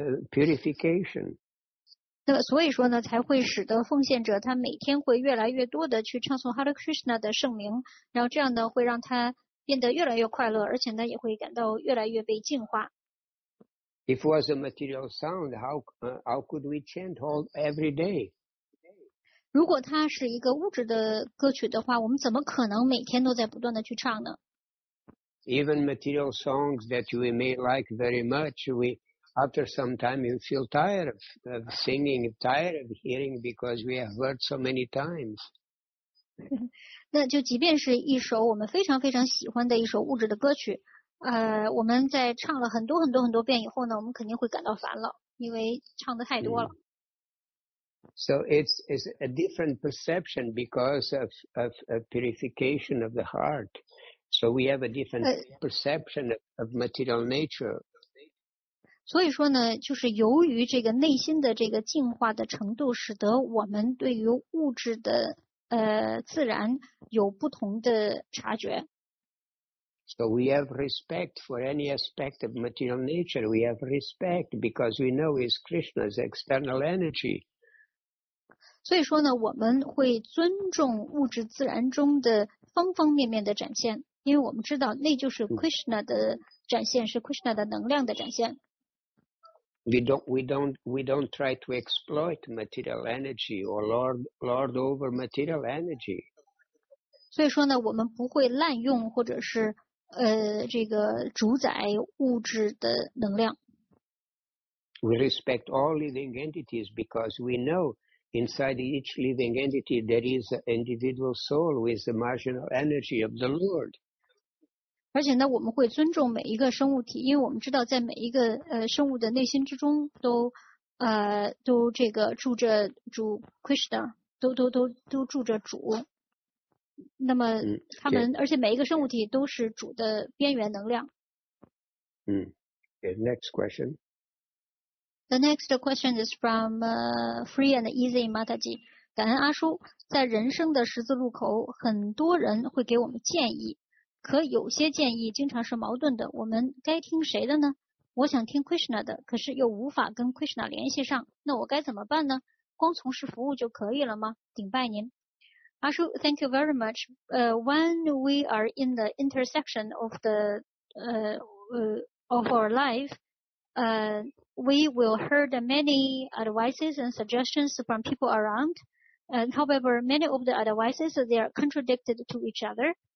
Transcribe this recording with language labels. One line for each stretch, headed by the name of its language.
English: purification.
Chinese: 那么所以说呢，才会使得奉献者他每天会越来越多的去唱诵 Hare Krishna 的圣名，然后这样呢会让他变得越来越快乐，而且呢也会感到越来越被净化。
English: If it was a material sound, how could we chant all every day?
Chinese: 如果它是一个物质的歌曲的话，我们怎么可能每天都在不断的去唱呢？
English: Even material songs that we may like very much, we after some time you feel tired of singing, tired of hearing because we have heard so many times.
Chinese: 那就即便是一首我们非常非常喜欢的一首物质的歌曲，我们在唱了很多很多很多遍以后呢，我们肯定会感到烦了，因为唱的太多了。
English: So it's a different perception because of a purification of the heart. So we have a different perception of material nature.
Chinese: 所以说呢，就是由于这个内心的这个净化的程度，使得我们对于物质的自然有不同的察觉。
English: So we have respect for any aspect of material nature. We have respect because we know it's Krishna's external energy.
Chinese: 所以说呢，我们会尊重物质自然中的方方面面的展现，因为我们知道那就是 Krishna 的展现，是 Krishna 的能量的展现。
English: We don't try to exploit material energy or lord over material energy.
Chinese: 所以说呢，我们不会滥用或者是这个主宰物质的能量。
English: We respect all living entities because we know inside each living entity there is an individual soul with the marginal energy of the Lord.
Chinese: 而且呢，我们会尊重每一个生物体，因为我们知道在每一个生物的内心之中都这个住着主 Krishna， 都住着主。那么他们，而且每一个生物体都是主的边缘能量。
English: Next question. The next question is from Free and Easy Mataji.
Chinese: 感恩阿叔，在人生的十字路口，很多人会给我们建议，可有些建议经常是矛盾的，我们该听谁的呢？我想听 Krishna 的，可是又无法跟 Krishna 联系上，那我该怎么办呢？光从事服务就可以了吗？顶拜您。
English: Ashu, thank you very much. When we are in the intersection of of our life, we will heard many advices and suggestions from people around. And however, many of the advices, they are contradicted to each other.